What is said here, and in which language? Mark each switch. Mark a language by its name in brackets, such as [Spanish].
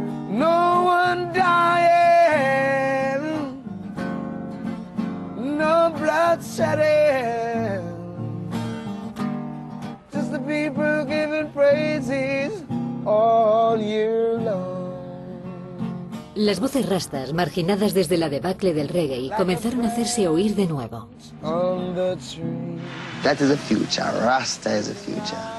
[English] No one dying, no blood shedding, just the people giving praises all year long. [Spanish] Las voces rastas, marginadas desde la debacle del reggae, comenzaron a hacerse oír de nuevo. [English] That is a future, rasta is a future.